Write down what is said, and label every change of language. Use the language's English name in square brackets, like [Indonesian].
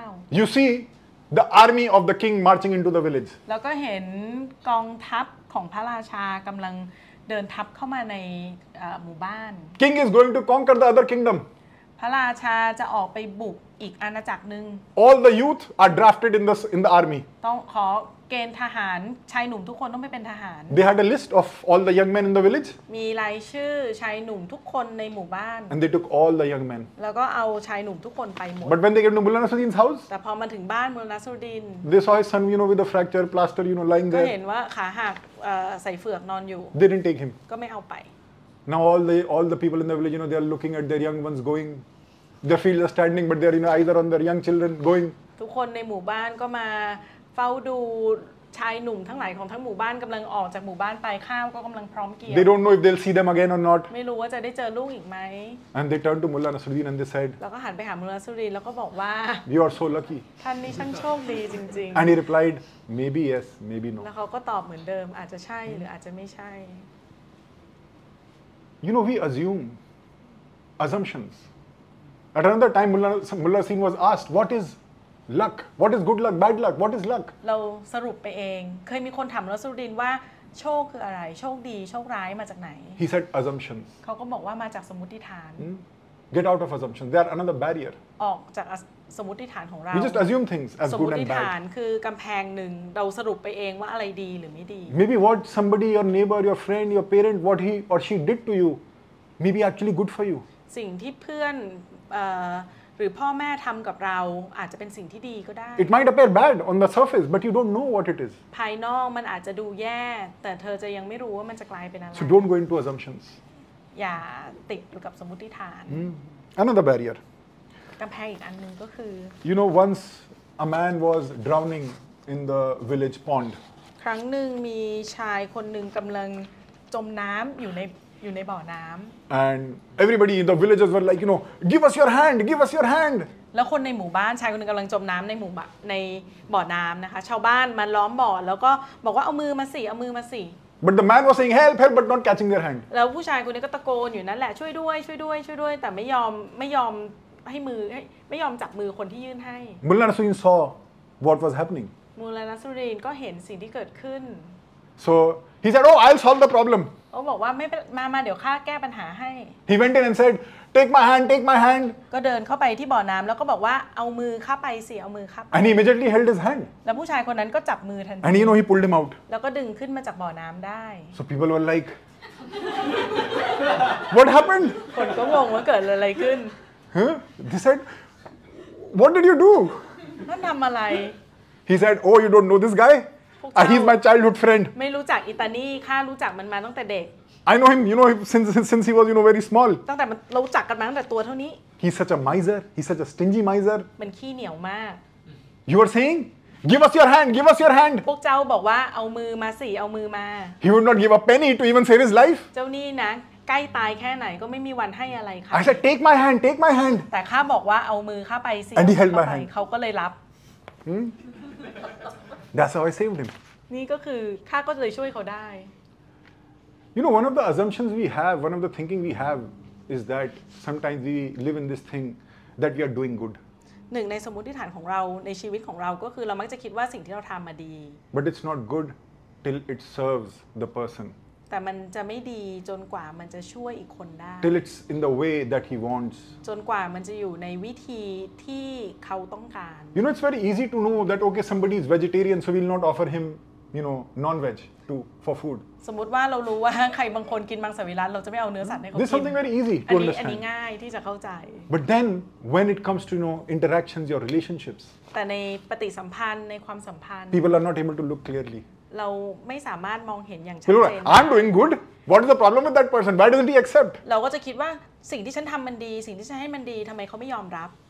[English] You see the army of the king marching into the village. [Thai] เดินทัพเข้ามาในหมู่บ้าน [English] King is going to conquer the other kingdom [Thai] พระราชาจะออกไปบุกอีกอาณาจักรนึง [English] All the youth are drafted in the army [Thai] ต้องขอเกณฑ์ทหารชายหนุ่มทุกคนต้องไปเป็นทหาร [English] They had a list of all the young men in the village [Thai] มีรายชื่อชายหนุ่มทุกคนในหมู่บ้าน [English] And they took all the young men [Thai] แล้วก็เอาชายหนุ่มทุกคนไปหมด [English] But when they came to Mulanasuddin's house [Thai] แต่พอมาถึงบ้านมุลนัสรุดดีน [English] They saw his son you know with a fracture plaster you know lying there [Thai] ก็เห็นว่าขาหักใส่เฝือกนอนอยู่ [English] They didn't take him [Thai] ก็ไม่เอาไป [English] Now all the people in the village you know they are looking at their young ones goingThe field are standing, but they are, you know, either on their young children going. [Thai] ทุกคนในหมู่บ้านก็มาเฝ้าดูชายหนุ่มทั้งหลายของทั้งหมู่บ้านกำลังออกจากหมู่บ้านไปข้าวก็กำลังพร้อมเกี่ยว [English] They don't know if they'll see them again or not. [Thai] ไม่รู้ว่าจะได้เจอลูกอีกไหม [English] And they turned to Mullah Nasruddin and they said. [Thai] แล้วก็หันไปหามุลลานัสรุดดีนแล้วก็บอกว่า [English] You are so lucky. [Thai] ท่านนี้ช่างโชคดีจริงจริง [English] And he replied, maybe yes, maybe no. [Thai] แล้วเขาก็ตอบเหมือนเดิมอาจจะใช่หรืออาจจะไม่ใช่ [English] You know, we assume assumptions. At another time, Mullah Singh was asked, "What is luck? What is good luck? Bad luck? What is luck?" [Thai] เราสรุปไปเองเคยมีคนถามมุลลาซุรุดดีนว่าโชคคืออะไรโชคดีโชคร้ายมาจากไหน [English] He said assumptions. [Thai] เขาก็บอกว่ามาจากสมมติฐาน [English] Get out of assumptions. They are another barrier. [Thai] ออกจากสมมติฐานของเรา [English] We just assume things as good and bad. [Thai] สมมติฐานคือกำแพงหนึ่งเราสรุปไปเองว่าอะไรดีหรือไม่ดี [English] Maybe what somebody, your neighbor, your friend, your parent, what he or she did to you, maybe actually good for you. [Thai] สิ่งที่เพื่อนหรือพ่อแม่ทำกับเราอาจจะเป็นสิ่งที่ดีก็ได้ [English] It might appear bad on the surface but you don't know what it is [Thai] ภายนอกมันอาจจะดูแย่แต่เธอจะยังไม่รู้ว่ามันจะกลายเป็นอะไร [English] So don't go into assumptions [Thai] อย่าติดอยู่กับสมมติฐาน [English] Another barrier [Thai] กำแพงอีกอันนึงก็คือ [English] You know once a man was drowning in the village pond [Thai] ครั้งนึงมีชายคนนึงกำลังจมน้ำอยู่ในบ่อน้ำ [English] and everybody in the villagers were like you know give us your hand give us your hand [Thai] แล้วคนในหมู่บ้านชายคนนึงกำลังจมน้ำในหมู่บ้านในบ่อน้ำนะคะชาวบ้านมาล้อมบ่อแล้วก็บอกว่าเอามือมาสิ [English] but the man was saying help help but not catching their hand [Thai] แล้วผู้ชายคนนี้ก็ตะโกนอยู่นั่นแหละช่วยด้วยแต่ไม่ยอมให้มือไม่ยอมจับมือคนที่ยื่นให้ [English] มุลลานัสรุดดีน saw what was happening [Thai] มุลลานัสรุดดีนก็เห็นสิ่งที่เกิดขึ้น [English] so he said oh I'll solve the problem [Thai] เขาบอกว่าไม่มาเดี๋ยวข้าแก้ปัญหาให้ [English] He went in and said take my hand [Thai] ก็เดินเข้าไปที่บ่อน้ำแล้วก็บอกว่าเอามือข้าไป [English] And he immediately held his hand [Thai] แล้วผู้ชายคนนั้นก็จับมือทันที [English] And you know he pulled him out [Thai] แล้วก็ดึงขึ้นมาจากบ่อน้ำได้ [English] So people were like What happened [Thai] คนก็งงว่าเกิดอะไรขึ้น [English] Huh They said What did you do [Thai] ท่านทำอะไร [English] He said Oh you don't know this guyHe's my childhood friend. [Thai] ไม่รู้จักอิตานี่ข้ารู้จักมันมาตั้งแต่เด็ก [English] I know him. You know him since he was you know very small. [Thai] ตั้งแต่มันรู้จักกันมาตั้งแต่ตัวเท่านี้ [English] He's such a miser. He's such a stingy miser. [Thai] มันขี้เหนียวมาก [English] You are saying, give us your hand. Give us your hand. [Thai] พวกเจ้าบอกว่าเอามือมาสิเอามือมา [English] He would not give a penny to even save his life. [Thai] เจ้านี่นะใกล้ตายแค่ไหนก็ไม่มีวันให้อะไรค่ะ [English] I said take my hand. Take my hand. [Thai] แต่ข้าบอกว่าเอามือข้าไปสิ [English] And he held my hand. [Thai] เขาก็เลยรับ [English] That's how I saved him. [Thai] นี่ก็คือข้าก็เลยช่วยเขาได้ [English] You know, one of the assumptions we have, one of the thinking we have, is that sometimes we live in this thing that we are doing good. [Thai] หนึ่งในสมมติฐานของเราในชีวิตของเราก็คือเรามักจะคิดว่าสิ่งที่เราทำมาดี [English] But it's not good till it serves the person. [Thai] แต่มันจะไม่ดีจนกว่ามันจะช่วยอีกคนได้ [English] Till it's in the way that he wants. [Thai] จนกว่ามันจะอยู่ในวิธีที่เขาต้องการ [English] You know, it's very easy to know that okay, somebody is vegetarian, so we'll not offer him you know non veg to for food [Thai] สมมุติว่าเรารู้ว่าใครบางคนกินมังสวิรัติเราจะไม่เอาเนื้อสัตว์ให้เขากิน [English] This something very easy to understand [Thai] อันนี้ง่ายที่จะเข้าใจ [English] But then when it comes to you know interactions your relationships [Thai] แต่ในปฏิสัมพันธ์ในความสัมพันธ์ [English] People are not able to look clearly [Thai] เราไม่สามารถมองเห็นอย่างชัดเจน [English] I'm doing goodWhat is the problem with that person? Why doesn't he accept? [Thai] เราก็จะคิดว่าสิ่งที่ฉันทำมันดีสิ่งที่ฉันให้มันดีทำไมเขาไม่ยอมรับ